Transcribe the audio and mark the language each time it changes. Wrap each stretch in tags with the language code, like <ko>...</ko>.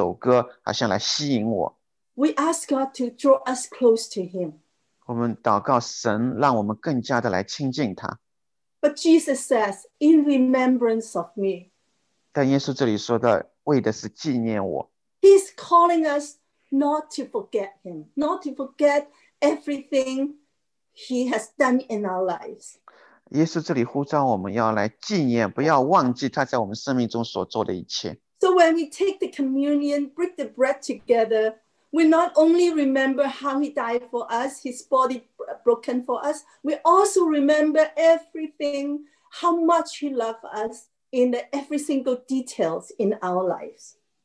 <zh>我相信耶稣要让我们更加的来亲近他，因为我们常在唱这首歌，好像来吸引我。</zh> <en>We ask God to draw us close to him.</en> <zh>我们祷告神让我们更加的来亲近他。</zh> <en>But Jesus says, in remembrance of me.</en> <zh>但耶稣这里说的，为的是纪念我。</zh> <en>He's calling us not to forget him, not to forget everything he has done in our lives.</en> <zh>耶稣这里呼召我们要来纪念，不要忘记他在我们生命中所做的一切。So</zh> <en>when we take the communion, break the bread together, we not only remember how he died for us, his body broken for us, we also remember everything, how much he loved us in the every single details in our lives.</en>